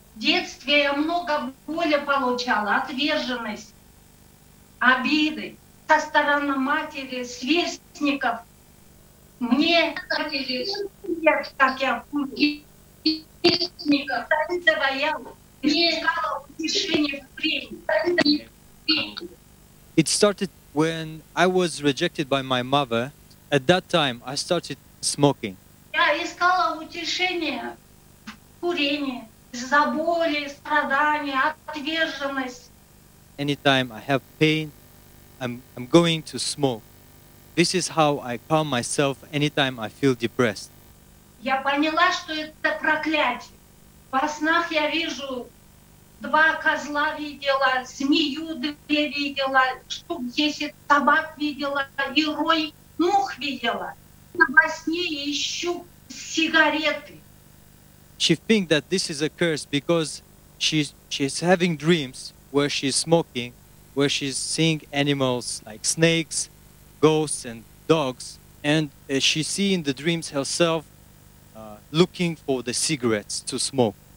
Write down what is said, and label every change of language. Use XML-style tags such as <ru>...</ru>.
<ru>В детстве я много боли получала, отверженность, обиды со стороны матери, сверстников. Мне говорили, как я сверстников, так и завоял, и искала утешение в премии.</ru> <en>It started when I was rejected by my mother. At that time, I started smoking.</en> <ru>Я искала утешение в курении, за боли, страдания, отверженность.</ru> <en>Anytime I have pain, I'm going to smoke. This is how I calm myself anytime I feel depressed.</en> <ru>Я поняла, что это проклятие. Во снах я вижу два козла видела, змею две видела, штук 10 собак видела и рой мух видела. Во сне ищу сигареты.</ru> <en>She thinks that this is a curse because she's having dreams where she's smoking, where she's seeing animals like snakes, ghosts, and dogs, and she sees in the dreams herself looking for the cigarettes to smoke.</en>